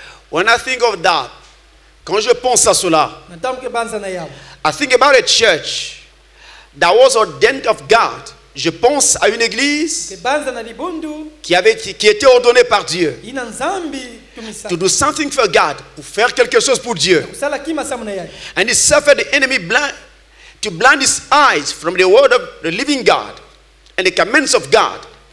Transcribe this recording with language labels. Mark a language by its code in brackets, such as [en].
[en] When I think of that, [fr] quand je pense à cela, [en] I think about a church that was ordained of God. [fr] Je pense à une église qui était ordonnée par Dieu [en] to do something for God, [fr] pour faire quelque chose pour Dieu. [en] And he suffered the enemy to blind his eyes from the word of the living God and the commands of God.